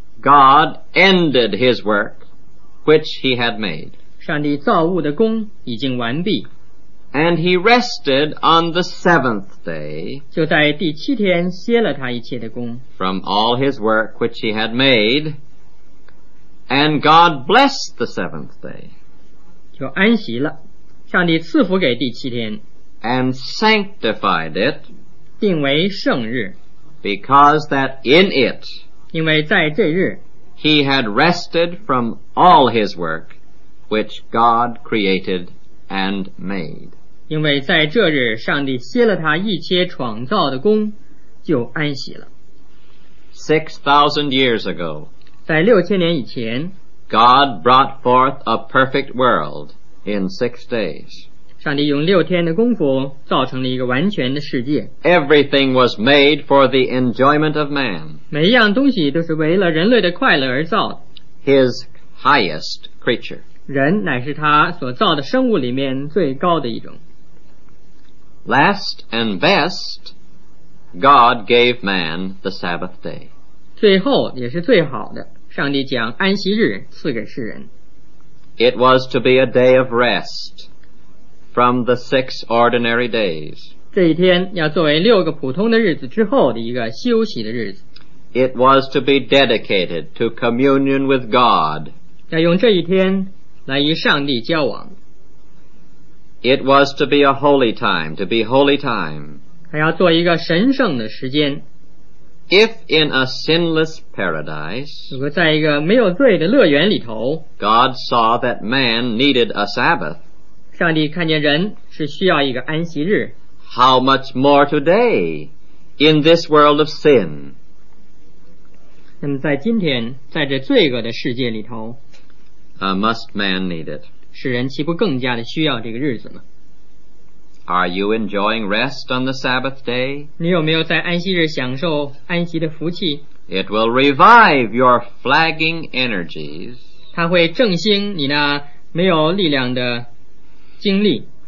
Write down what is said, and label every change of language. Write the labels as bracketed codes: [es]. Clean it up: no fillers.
[en] God ended his work, which he had made. [zh] 上帝造物的功已经完毕。 [en] And he rested on the seventh day, [zh] 就在第七天歇了他一切的功。 [en] From all his work which he had made, and God blessed the seventh day, [zh] 就安息了。上帝赐福给第七天。 [en] And sanctified it, [zh] 定为圣日。 [en] Because that in it, [zh] 因为在这日, [en] he had rested from all his work,which God created and made. [zh] 因为在这日上帝歇了他一切创造的功就安息了。 [en] 6,000 years ago, [zh] 在六千年以前, [en] God brought forth a perfect world in 6 days. [zh] 上帝用六天的功夫造成了一个完全的世界。 [en] Everything was made for the enjoyment of man. [zh] 每一样东西都是为了人类的快乐而造的。 [en] His highest creature. [zh] 人乃是他所造的生物里面最高的一种。 [en] Last and best, God gave man the Sabbath day. [zh] 最后也是最好的，上帝将安息日赐给世人。 [en] It was to be a day of rest from the 6 ordinary days. [zh] 这一天要作为六个普通的日子之后的一个休息的日子。 [en] It was to be dedicated to communion with God. [zh] 要用这一天来与上帝交往。 [en] It was to be a holy time, to be holy time. [zh] 还要做一个神圣的时间。 [en] If in a sinless paradise, [zh] 如果在一个没有罪的乐园里头, [en] God saw that man needed a Sabbath, [zh] 上帝看见人是需要一个安息日。 [en] How much more today, in this world of sin? [zh] 那么在今天，在这罪恶的世界里头， [en] must man need it? [zh] 世人岂不更加的需要这个日子吗？ [en] Are you enjoying rest on the Sabbath day? [zh] 你有没有在安息日享受安息的福气？ [en] It will revive your flagging energies. [zh] 它会振兴你那没有力量的精力。